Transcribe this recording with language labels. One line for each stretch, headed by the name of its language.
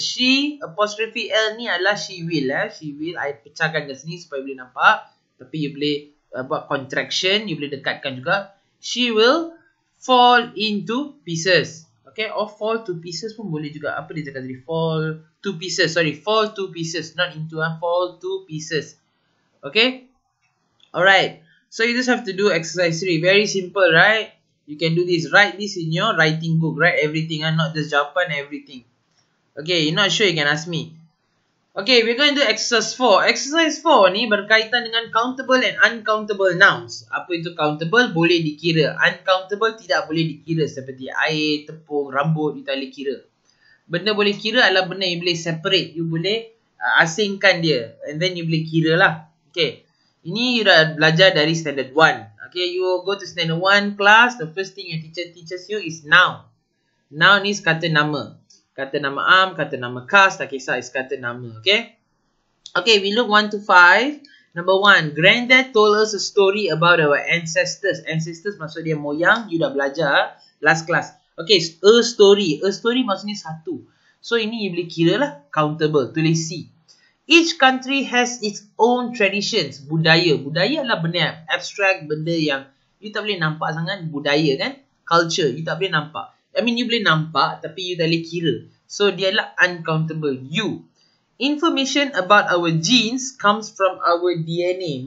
English: She, apostrophe L
Malay: ni adalah
English: she will. She will.
Malay: I pecahkan kat sini supaya boleh nampak. Tapi you boleh buat contraction. You boleh dekatkan juga.
English: She will fall into pieces. Okay, or fall to pieces
Malay: pun boleh juga. Apa dia cakap tadi?
English: Fall to pieces. Not into a fall to pieces. Okay? Alright. So, you just have to do exercise 3. Very simple, right? You can do this. Write this in your writing book. Write everything and not just jawapan, everything. Okay, you're not sure, you can ask me. Okay, we're going to exercise 4.
Malay: Exercise 4 ni berkaitan dengan
English: countable and uncountable nouns.
Malay: Apa itu countable? Boleh dikira. Uncountable tidak boleh dikira, seperti air, tepung, rambut, you tak boleh kira. Benda boleh kira adalah benda yang boleh separate. You boleh asingkan dia.
English: And then
Malay: you boleh kira lah. Okay. Ini you dah belajar dari standard 1.
English: Okay, you go to standard 1 class. The first thing your teacher teaches you is noun.
Malay: Noun is kata nama. Kata nama am, kata nama kas, tak kisah, is kata nama. Okay?
English: Okay, we look 1 to 5. Number 1, granddad told us a story about our ancestors.
Malay: Ancestors maksud dia moyang. You dah belajar
English: last class. Okay, a story. A story
Malay: maksudnya satu. So, ini you boleh kira lah. Countable. Tulis C.
English: Each country has its own traditions.
Malay: Budaya. Budaya adalah benda yang abstract, benda yang you tak boleh nampak sangat. Budaya kan? Culture. You tak boleh nampak.
English: I mean,
Malay: you boleh nampak tapi you tak boleh kira. So, dia adalah uncountable.
English: You. Information about our genes comes from our DNA.